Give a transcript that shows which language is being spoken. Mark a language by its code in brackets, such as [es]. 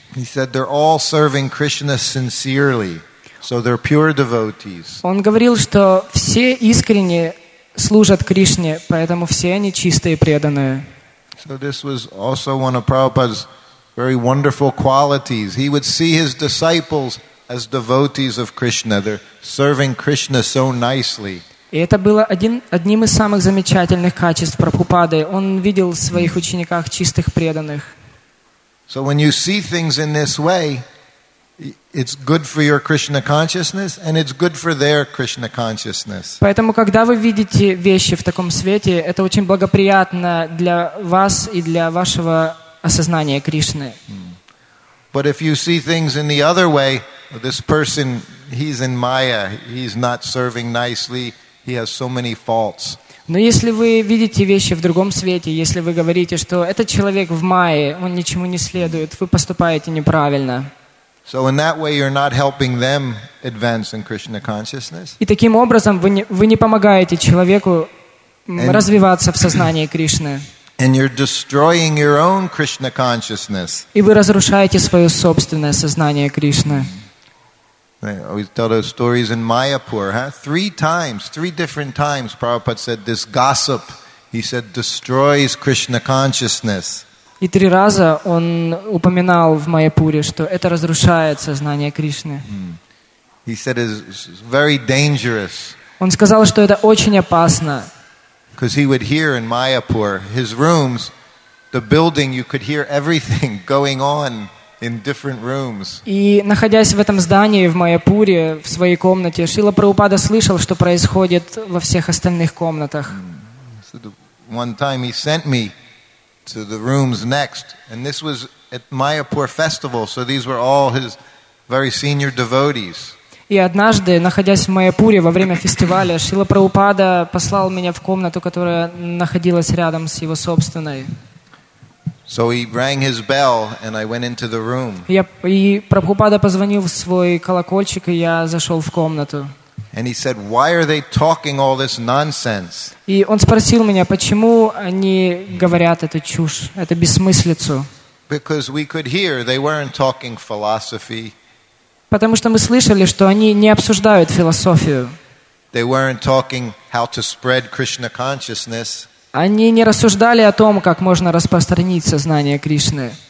[en] He said they're all serving Krishna sincerely, so they're pure devotees. [ru] Он говорил, что все искренне служат Кришне, поэтому все они чистые преданные. [en] So this was also one of Prabhupada's very wonderful qualities. He would see his disciples as devotees of Krishna. They're serving Krishna so nicely. [ru] И это было одним из самых замечательных качеств Прабхупады. Он видел в своих учениках чистых преданных. [en] So when you see things in this way, it's good for your Krishna consciousness and it's good for their Krishna consciousness. [ru] Поэтому когда вы видите вещи в таком свете, это очень благоприятно для вас и для вашего осознания Кришны. [en] But if you see things in the other way, this person, he's in Maya, he's not serving nicely, he has so many faults. [ru] Но если вы видите вещи в другом свете, если вы говорите, что этот человек в Майе, он ничему не следует, вы поступаете неправильно. [en] So in that way you're not helping them advance in Krishna consciousness. [ru] И таким образом вы не помогаете человеку развиваться в сознании Кришны. [en] And you're destroying your own Krishna consciousness. [ru] И вы разрушаете свое собственное сознание Кришны. [en] I always tell those stories in Mayapur, huh? Three different times, Prabhupada said, this gossip, he said, destroys Krishna consciousness. [ru] И три раза он упоминал в Майяпуре, что это разрушает сознание Кришны. [en] He said it's very dangerous. [ru] Он сказал, что это очень опасно. [en] Because he would hear in Mayapur, his rooms, the building, you could hear everything going on in different rooms. [ru] И находясь в этом здании в Майяпуре, в своей комнате, Шрила Прабхупада слышал, что происходит во всех остальных комнатах. [en] So one time he sent me to the rooms next, and this was at Mayapur festival, so these were all his very senior devotees. [ru] И однажды, находясь в Майяпуре во время фестиваля, Шрила Прабхупада послал меня в комнату, которая находилась рядом с его собственной. [en] So he rang his bell, and I went into the room. [ru] И Прабхупада позвонил в свой колокольчик, и я зашел в комнату. [en] And he said, "Why are they talking all this nonsense?" [ru] И он спросил меня, почему они говорят эту чушь, эту бессмыслицу. [en] Because we could hear they weren't talking philosophy. [ru] Потому что мы слышали, что они не обсуждают философию. [en] They weren't talking how to spread Krishna consciousness. [ru] Они не рассуждали о том, как можно распространить сознание Кришны.